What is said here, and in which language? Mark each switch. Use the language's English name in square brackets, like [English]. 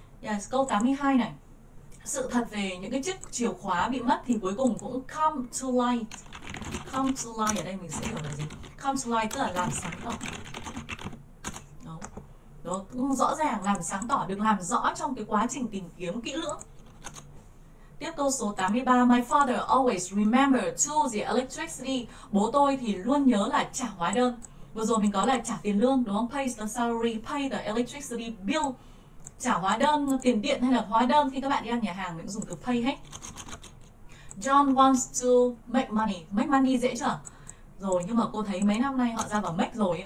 [Vietnamese] Yes, câu 82 này. Sự thật về những cái chiếc chìa khóa bị mất thì cuối cùng cũng [English] come to light. Come to light [Vietnamese] ở đây mình sẽ hiểu là gì? Come to light tức là làm sáng tỏ. Đó. Đó, cũng rõ ràng, làm sáng tỏ, được làm rõ trong cái quá trình tìm kiếm kỹ lưỡng. Tiếp câu số 83, [English] my father always remember to the electricity. [Vietnamese] Bố tôi thì luôn nhớ là trả hóa đơn. Vừa rồi mình có là trả tiền lương, đúng không? [English] Pay the salary, pay the electricity bill. [Vietnamese] Trả hóa đơn, tiền điện hay là hóa đơn khi các bạn đi ăn nhà hàng mình cũng dùng từ pay hết. [English] John wants to make money. Make money [Vietnamese] dễ chưa? Rồi, nhưng mà cô thấy mấy năm nay họ ra vào make rồi.